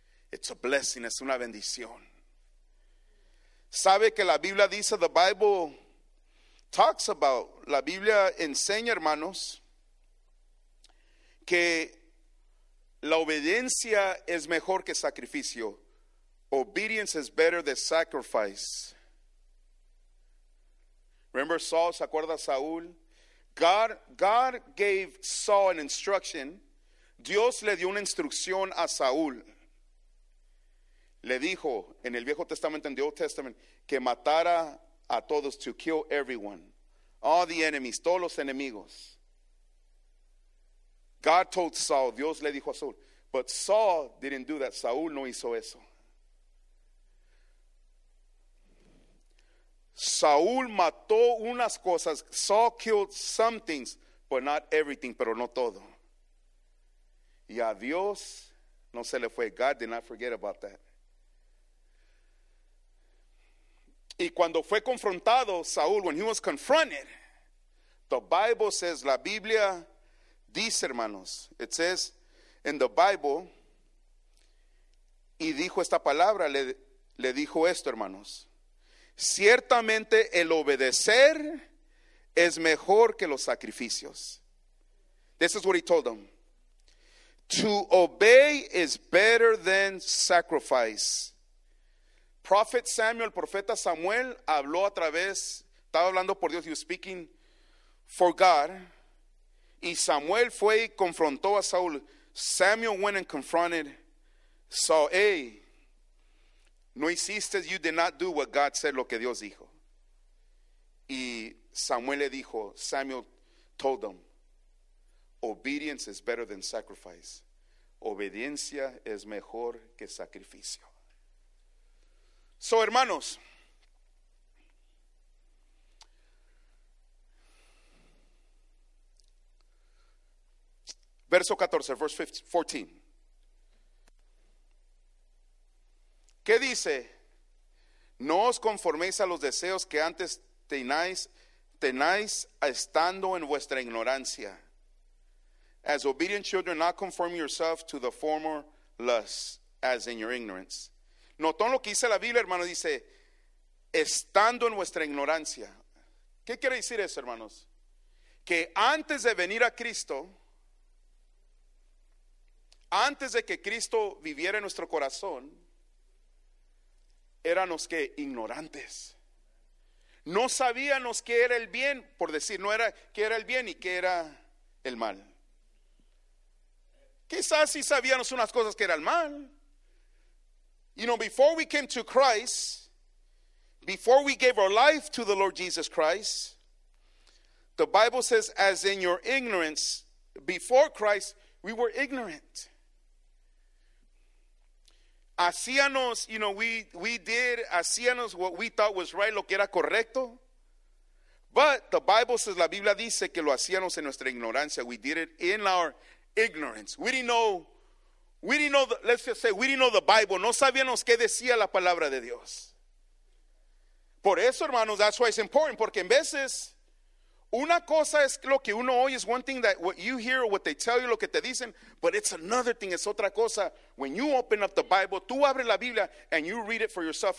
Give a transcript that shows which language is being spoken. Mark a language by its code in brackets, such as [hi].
[en] It's a blessing, [es] es una bendición. Sabe que la Biblia dice, [en] the Bible talks about, [es] la Biblia enseña, hermanos, que la obediencia es mejor que sacrificio. [en] Obedience is better than sacrifice. Remember Saul, [es] ¿se acuerda Saúl? [en] God gave Saul an instruction. [es] Dios le dio una instrucción a Saúl. Le dijo en el Viejo Testamento, en [en] the Old Testament, [es] que matara a todos, [en] to kill everyone. All the enemies, [es] todos los enemigos. [en] God told Saul, [es] Dios le dijo a Saul. [en] But Saul didn't do that. [es] Saúl no hizo eso. Saúl mató unas cosas. [en] Saul killed some things, but not everything, [es] pero no todo. Y a Dios no se le fue. [en] God did not forget about that. [es] Y cuando fue confrontado Saúl, [en] when he was confronted, the Bible says, [es] la Biblia dice, hermanos, [en] it says in the Bible, [es] y dijo esta palabra, le dijo esto, hermanos, ciertamente el obedecer es mejor que los sacrificios. [en] This is what he told them. To obey is better than sacrifice. [es] Prophet Samuel, profeta Samuel, habló a través, estaba hablando por Dios, [en] he was speaking for God. [es] Y Samuel fue y confrontó a Saúl. [en] Samuel went and confronted Saul. Hey, [es] no hiciste, [en] you did not do what God said, [es] lo que Dios dijo. Y Samuel le dijo, [en] Samuel told them, obedience is better than sacrifice. [es] Obediencia es mejor que sacrificio. So, hermanos, verso 14, [en] verse 14. [es] ¿Qué dice? No os conforméis a los deseos que antes tenáis estando en vuestra ignorancia. [en] As obedient children, not conform yourself to the former lusts, as in your ignorance. [es] Notó lo que dice la Biblia, hermano, dice, estando en vuestra ignorancia. ¿Qué quiere decir eso, hermanos? Que antes de venir a Cristo, antes de que Cristo viviera en nuestro corazón, éramos que ignorantes. No sabíamos qué era el bien, por decir, no era qué era el bien y qué era el mal. Quizás sí sabíamos unas cosas que era el mal. [en] You know, before we came to Christ, before we gave our life to the Lord Jesus Christ, the Bible says, as in your ignorance, before Christ, we were ignorant. [es] hacíanos, [en] you know, hacíanos what we thought was right, [es] lo que era correcto. [en] But the Bible says, [es] la Biblia dice que lo hacíamos en nuestra ignorancia. [en] We did it in our ignorance. We didn't know the Bible. [es] No sabíamos qué decía la palabra de Dios. Por eso, hermanos, [en] that's why it's important. [es] Porque en veces, una cosa es lo que uno oye, [en] is one thing that what you hear or what they tell you, [es] lo que te dicen. [en] But it's another thing, [es] es otra cosa. [en] When you open up the Bible, [es] tú abres la Biblia [en] and you read it for yourself.